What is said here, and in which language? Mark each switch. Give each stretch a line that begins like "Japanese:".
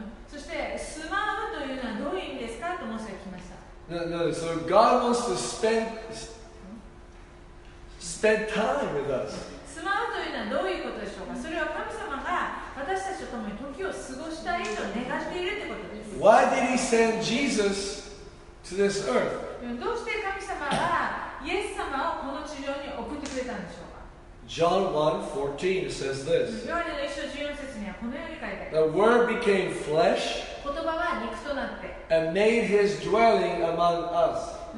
English: So God wants to spend time with us.
Japanese: 住まうというのはどういうことでしょうか。それは神様が私たちと共に時を過ごしたいと願っているということです。
English: Why did he send Jesus to this earth?
Japanese: どうして神様がイエス様をこの地上に送ってくれたんでしょうか。
English: John 1:14 says this.
Japanese: ヨハネの一章十四節にはこのように書いてあります。
English: The word became flesh.
Japanese: 言葉は肉となって。
English: And made his dwelling among us.